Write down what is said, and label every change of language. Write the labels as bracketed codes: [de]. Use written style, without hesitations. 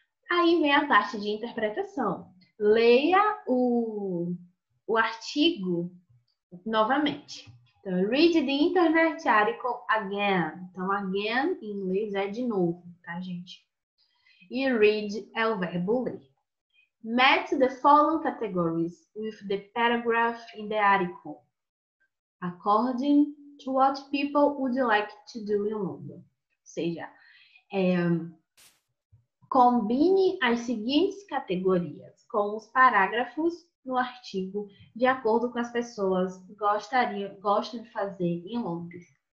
[pt] Aí vem a parte de interpretação. Leia o artigo novamente. [en] Então, read the internet article again. [pt] Então, again em inglês é de novo, tá, gente? E read é o verbo ler. [en] Match the following categories with the paragraph in the article, according to what people would like to do in London. [pt] Ou seja, combine as seguintes categorias com os parágrafos no artigo de acordo com as pessoas que gostam de fazer em Londres.